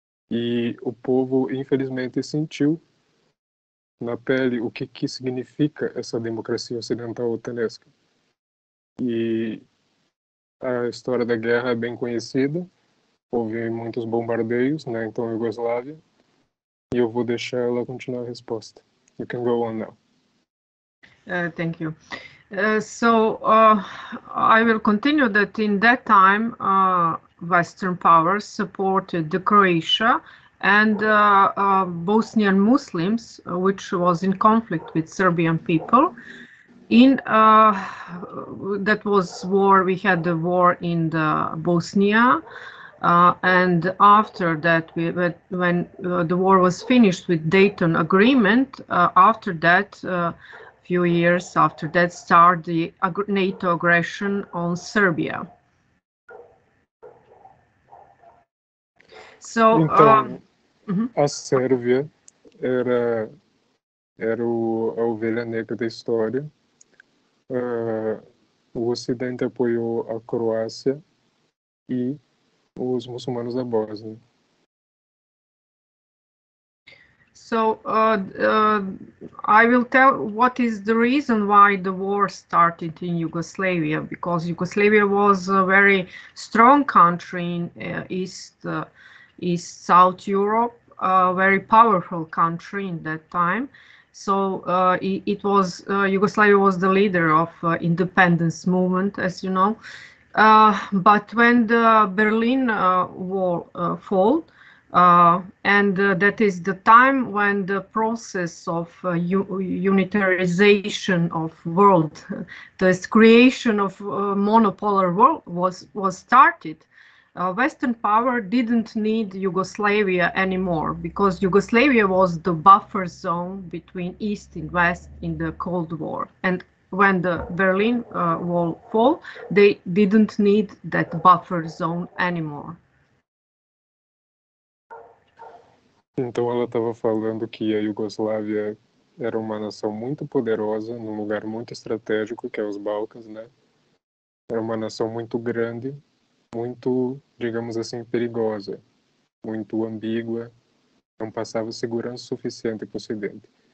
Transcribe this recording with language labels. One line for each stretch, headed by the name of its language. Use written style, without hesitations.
Portuguese: E o povo, infelizmente, sentiu na pele o que, que significa essa democracia ocidental otanesca. E a história da guerra é bem conhecida, houve muitos bombardeios, né, então a Iugoslávia, e eu vou deixar ela continuar a resposta.
English: You can go on now. Thank you. I will continue that in that time, Western powers supported the Croatia and Bosnian Muslims, which was in conflict with Serbian people. That was war, we had the war in the Bosnia, and after that, when the war was finished with Dayton Agreement, after that, few years after that, started the NATO aggression on Serbia. So,
Portuguese: então, a Sérvia era a ovelha negra da história. O Ocidente apoiou a Croácia e os muçulmanos da Bósnia.
English: I will tell what is the reason why the war started in Yugoslavia, because Yugoslavia was a very strong country in East-South Europe, a very powerful country in that time. So it was Yugoslavia was the leader of independence movement, as you know. But when the Berlin Wall fell, and that is the time when the process of unitarization of world, the creation of monopolar world was started. Western power didn't need Yugoslavia anymore, because Yugoslavia was the buffer zone between East and West in the Cold War. And when the Berlin Wall fell, they didn't need that buffer zone anymore.
Portuguese: Então ela estava falando que a Iugoslávia era uma nação muito poderosa, num lugar muito estratégico, que é os Balcãs, né? Era uma nação muito grande, muito, digamos assim, perigosa, muito ambígua, não passava segurança suficiente para o Ocidente.